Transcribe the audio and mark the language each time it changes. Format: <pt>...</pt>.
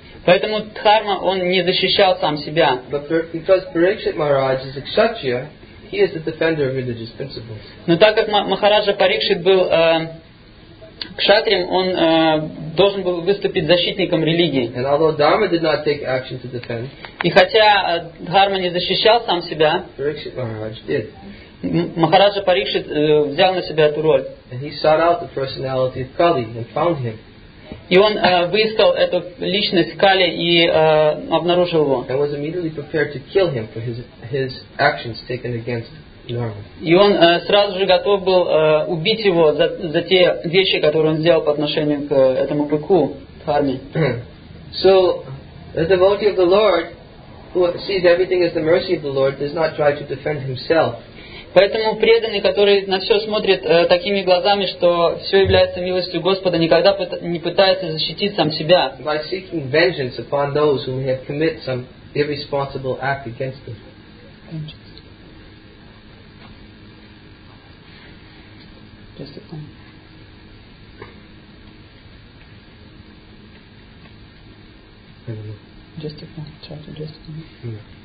<ru>Поэтому Дхарма, он не защищал сам себя.</ru> <en>Because Parikshit Maharaj is a kshatriya, he is the defender of religious principles.</en> <ru>Но так как Махараджа Парикшит был кшатрием, он должен был выступить защитником религии.</ru> <en>And although Dharma did not take action to defend,</en> <ru>и хотя Дхарма не защищал сам себя,</ru> <en>Parikshit Maharaj did.</en> <ru>Махараджа Парикшит взял на себя эту роль.</ru> <en>And he sought out the personality of Kali and found him.</en> <ru>И он выискал эту личность Кали и обнаружил его.</ru> <en>And was immediately prepared to kill him for his actions taken against Dharma.</en> <ru>И он сразу же готов был убить его за те вещи, которые он сделал по отношению к этому быку Дхарме.</ru> <en>So the devotee of the Lord, who sees everything as the mercy of the Lord, does not try to defend himself.</en> <ru>Поэтому преданный, который на все смотрит такими глазами, что все является милостью Господа, никогда не пытается защитить сам себя.</ru> <en>By seeking vengeance upon those who have committed some irresponsible act against them.</en>